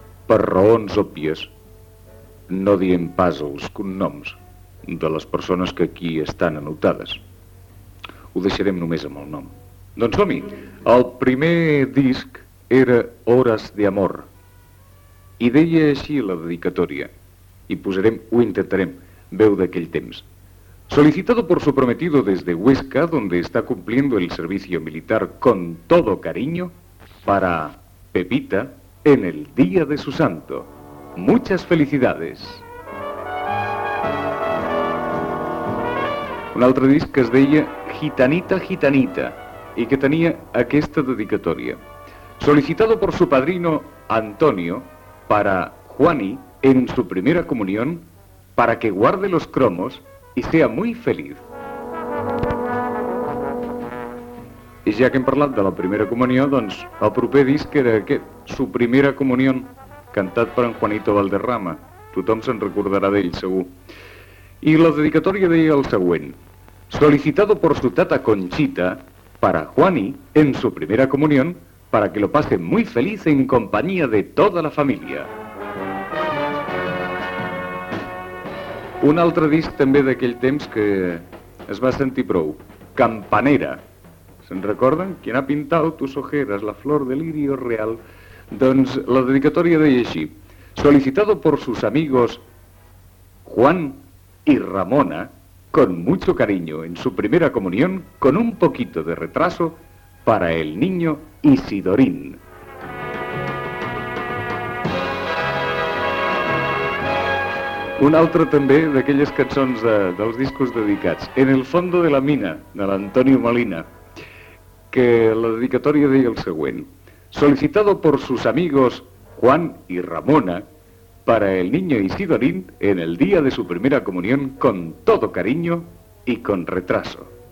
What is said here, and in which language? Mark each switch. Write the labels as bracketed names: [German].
[Catalan] Per raons òbvies, no diem pas els cognoms de les persones que aquí estan anotades. Ho deixarem només amb el nom. Doncs som-hi. El primer disc era Hores de Amor. I deia així la dedicatòria. I posarem, ho intentarem, veu d'aquell temps. [Spanish] Solicitado por su prometido desde Huesca, donde está cumpliendo el servicio militar con todo cariño, para Pepita, en el día de su santo. Muchas felicidades. [Catalan] Un altre disc que es deia Gitanita, Gitanita, i que tenia aquesta dedicatòria. [Spanish] Solicitado por su padrino Antonio para Juani en su primera comunión, para que guarde los cromos y sea muy feliz. [Catalan] I ja que hem parlat de la primera comunió, doncs el proper disc era aquest, Su primera comunión, cantat per en Juanito Valderrama. Tothom se'n recordarà d'ell, segur. I la dedicatòria deia el següent. [Spanish] Solicitado por su tata Conchita para Juani en su primera comunión para que lo pase muy feliz en compañía de toda la familia. [Catalan] Un altre disc també d'aquell temps que es va sentir prou. Campanera. Se'n recorden? [Spanish] Quien ha pintado tus ojeras, la flor del lirio real. [Catalan] Doncs la dedicatòria deia així. [Spanish] Solicitado por sus amigos Juan y Ramona, con mucho cariño, en su primera comunión, con un poquito de retraso, para el niño Isidorín. [Catalan] Un altre també d'aquelles cançons de, dels discos dedicats, En el fondo de la mina, de l'Antonio Molina, que la dedicatòria deia el següent. [Spanish] Solicitado por sus amigos Juan y Ramona, para el niño Isidorín, en el día de su primera comunión, con todo cariño y con retraso.